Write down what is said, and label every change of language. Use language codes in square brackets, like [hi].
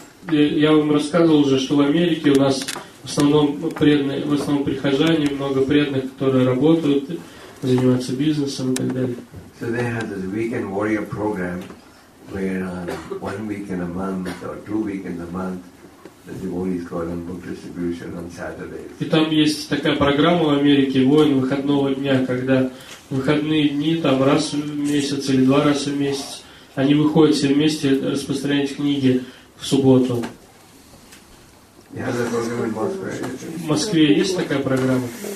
[ru] Я вам рассказывал уже, что в Америке у нас в основном преданные, в основном прихожане, много преданных, которые работают, занимаются бизнесом и так далее. [en] So they have this weekend warrior program where on 1 week a month or 2 weeks a month the devotees go on book distribution on Saturdays. [ru] И там есть такая программа в Америке, воин выходного дня, когда выходные дни там раз в месяц или 2 раза в месяц. Они выходят все вместе распространять книги в субботу. В Москве есть такая программа?